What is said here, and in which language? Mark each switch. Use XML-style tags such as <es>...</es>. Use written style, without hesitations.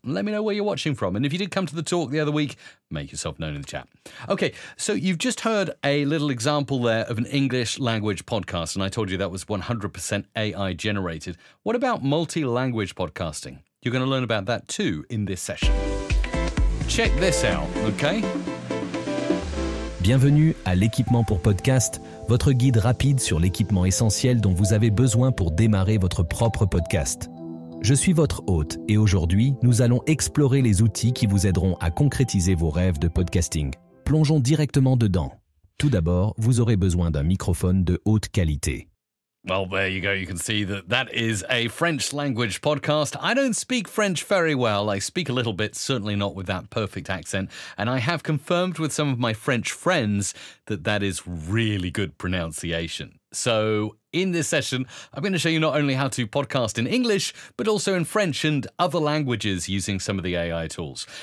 <en>Let me know where you're watching from. And if you did come to the talk the other week, make yourself known in the chat. Okay, so you've just heard a little example there of an English language podcast, and I told you that was 100% AI generated. What about multi-language podcasting? You're going to learn about that too in this session. Check this out, okay?</en> <fr>Bienvenue à l'équipement pour podcast, votre guide rapide sur l'équipement essentiel dont vous avez besoin pour démarrer votre propre podcast. Je suis votre hôte et aujourd'hui, nous allons explorer les outils qui vous aideront à concrétiser vos rêves de podcasting. Plongeons directement dedans. Tout d'abord, vous aurez besoin d'un microphone de haute qualité.</fr> <en>Well, there you go. You can see that is a French language podcast. I don't speak French very well. I speak a little bit, certainly not with that perfect accent. And I have confirmed with some of my French friends that is really good pronunciation. So in this session, I'm going to show you not only how to podcast in English, but also in French and other languages using some of the AI tools.</en>